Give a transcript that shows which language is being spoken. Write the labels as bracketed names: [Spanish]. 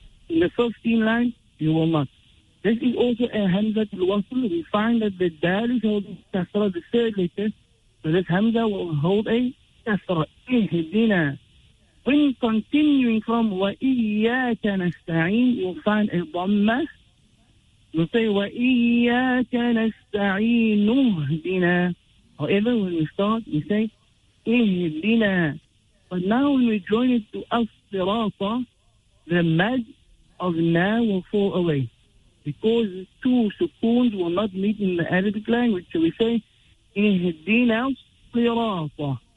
[English] In the 15 line, you will not. This is also a hamza to wasl. We find that the dal is holding kasra, the third letter. So this hamza will hold a kasra. Ihdina. When continuing from wa iyyaka nasta'in, you'll find a dhamma. We'll say, [Arabic] وَإِيَّاكَ نَسْتَعِينُ اهْدِنَا. [English] However, when we start, we say, [Arabic] اهْدِنَا. [English] But now when we join it to الصِّرَاطَ, the mad of na will fall away. Because two sukoons will not meet in the Arabic language. So we say, [Arabic] اهْدِنَا الصِّرَاطَ.